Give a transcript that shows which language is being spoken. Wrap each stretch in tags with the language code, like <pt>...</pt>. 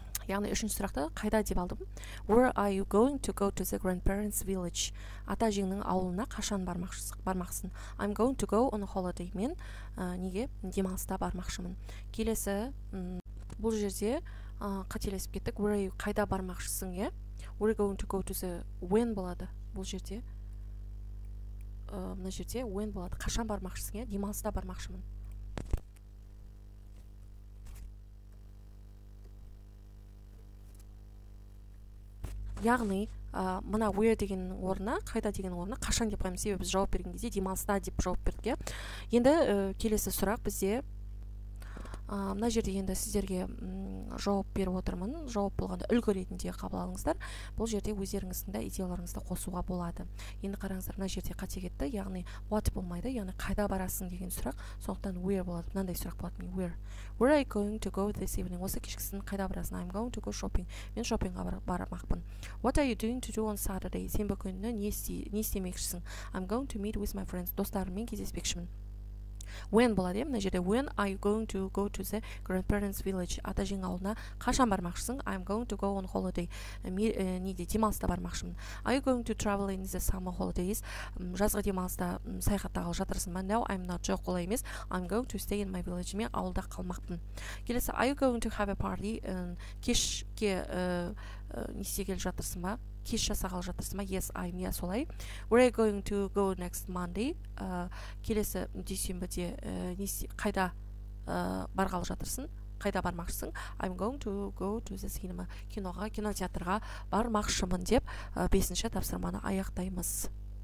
<kk>Яғни, үшінші сұрақты қайда деп алдым?</kk> <en>Where are you going to go to the grandparents' village?</en> <kk>Ата жеңнің ауылына қашан бармақсың?</kk> <en>I'm going to go on a holiday.</en> <kk>Мен неге демалыста бармақшымын? Келесі, бұл жерде қателесіп кеттік.</kk> <en>Where are you,</en> <kk>қайда бармақшысың?</kk> <en>Where are you going to go to the, when болады?</en> <kk>Бұл жерде, мына жерде when болады. Қашан бармақшысың? Демалыста бармақшымын. Яғни, мына where деген орнына, қайда деген орнына, қашан деп қаймыз, себебі біз жауап берген кезде демалыста деп жауап бердік. Енді келесі сұрақ бізде, мына жерде енді сіздерге жауап беріп отырмын, жауап болғанда үлгі ретінде қабыл алыңыздар. Бұл жерде өздеріңіздің идеяларыңызды қосуға болады. Енді қараңыздар, мына жерде қате кетті, яғни what болмайды, яғни қайда барасың деген сұрақ, сондықтан where болады, мынандай сұрақ болады, мен where.</kk> <en>Where are you going to go this evening?</en> <kk>Осы кешкісін қайда барасың?</kk> <en>I'm going to go shopping.</en> <kk>Мен шопингға бармақпын.</kk> <en>What are you doing to do on Saturday?</en> <kk>Сенбі күні не істемекшісің?</kk> <en>I'm going to meet with my friends.</en> <kk>Достарыммен кездеспекшімін.</kk> <en>When</en> <kk>болады, мына жерде</kk> <en>when are you going to go to the grandparents' village?</en> <kk>Ата жең ауылына қашан бармақшысың?</kk> <en>I'm going to go on holiday.</en> <kk>Неде демалыста бармақшымын.</kk> <en>Are you going to travel in the summer holidays?</en> <kk>Жазғы демалыста саяхаттағалы жатырсың ба?</kk> <en>No, I'm not,</en> <kk>жоқ олай емес.</kk> <en>I'm going to stay in my village.</en> <kk>Мен ауылда қалмақпын.</kk> <en>Келесі, are you going to have a party?</en> <kk>Кешке не істегелі жатырсың ба? Кеш жасағалы жатырсың ба?</kk> <en>Yes, I'm, yes, олай. Where are you going to go next Monday?</en> <kk>Келесі дүйсенбіде қайда барғалы жатырсың? Қайда бармақшысың?</kk> <en>I'm going to go to the cinema.</en> <kk>Киноға, кинотеатрға бармақшымын деп 5-ші тапсырманы аяқтаймыз.</kk>